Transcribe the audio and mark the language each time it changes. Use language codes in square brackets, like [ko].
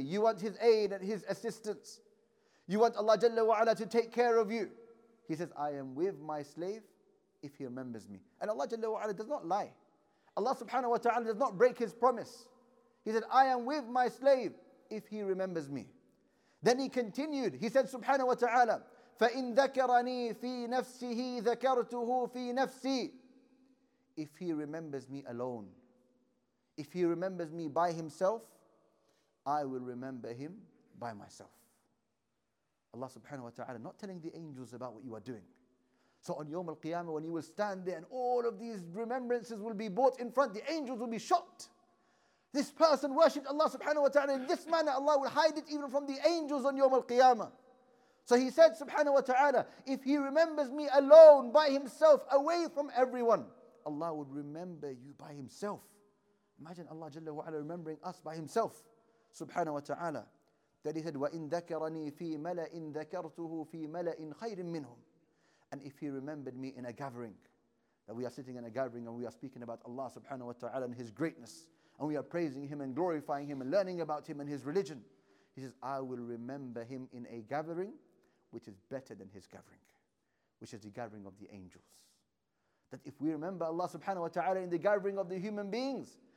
[en] You want His aid and His assistance. You want Allah Jalla wa'ala to take care of you. He says, I am with my slave if He remembers me. And Allah Jalla wa'ala does not lie. Allah subhanahu wa ta'ala does not break His promise. He said, I am with my slave if He remembers me. Then He continued. He said, subhanahu wa ta'ala, [ar] فَإِن ذَكَرَنِي فِي نَفْسِهِ ذَكَرْتُهُ فِي نَفْسِي. [en] If He remembers me alone, if He remembers me by Himself, I will remember Him by myself. Allah subhanahu wa ta'ala not telling the angels about what you are doing. So on Yawm al-Qiyamah, when you will stand there and all of these remembrances will be brought in front, the angels will be shocked. This person worshipped Allah subhanahu wa ta'ala in this manner. Allah will hide it even from the angels on Yawm al-Qiyamah. So He said subhanahu wa ta'ala, if He remembers me alone by Himself, away from everyone, Allah would remember you by Himself. Imagine Allah Jalla wa'ala remembering us by Himself. Subhanahu wa ta'ala. That He said, [ar] وَإِن ذَكَرَنِي فِي مَلَئٍ ذَكَرْتُهُ فِي مَلَئٍ خَيْرٍ مِّنْهُمْ. [en] And if He remembered me in a gathering, that we are sitting in a gathering and we are speaking about Allah subhanahu wa ta'ala and His greatness, and we are praising Him and glorifying Him and learning about Him and His religion, He says, I will remember Him in a gathering which is better than His gathering, which is the gathering of the angels. That if we remember Allah subhanahu wa ta'ala in the gathering of the human beings,